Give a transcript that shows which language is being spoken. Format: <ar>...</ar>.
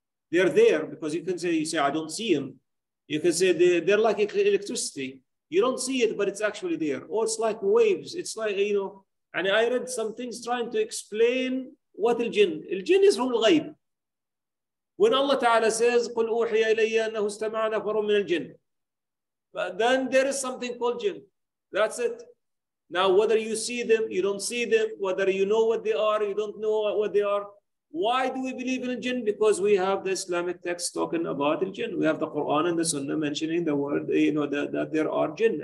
<en>They're there because you say, I don't see them. You can say they're like electricity. You don't see it, but it's actually there. Or it's like waves. It's like, you know, and I read some things trying to explain what al jinn is from al-ghayb. When Allah Ta'ala says,</en> <ar>قُلْ أُوحِيَ إِلَيَّ أَنَّهُ اسْتَمَعَ نَفَرٌ مِنَ الْجِنِّ.</ar> <en>But then there is something called jinn. That's it. Now, whether you see them, you don't see them, whether you know what they are, you don't know what they are. Why do we believe in a jinn? Because we have the Islamic text talking about the jinn. We have the Quran and the Sunnah mentioning the word, you know, that there are jinn.</en>